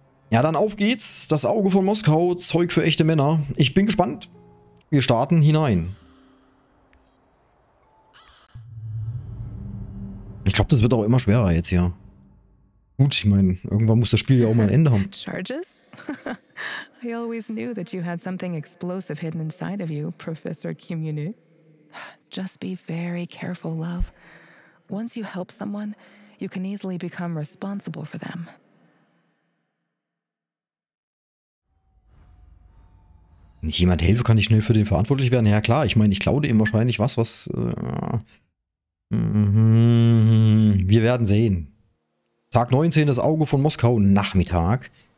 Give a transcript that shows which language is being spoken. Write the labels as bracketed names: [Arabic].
[German] Ja, dann auf geht's. Das Auge von Moskau, Zeug für echte Männer. Ich bin gespannt. Wir starten hinein. Ich glaube, das wird auch immer schwerer jetzt hier. Gut, ich meine, irgendwann muss das Spiel ja auch mal ein Ende haben. [English] Charges? I always knew that you had something explosive hidden inside of you, Professor Kimyunu. Just be very careful, love. Once you help someone, you can easily become responsible for them. [German] Wenn ich jemand helfe, kann ich schnell für den verantwortlich werden. Ja klar, ich meine, ich klaue ihm wahrscheinlich was, was... Wir werden sehen. Tag 19, das Auge von Moskau, Nachmittag.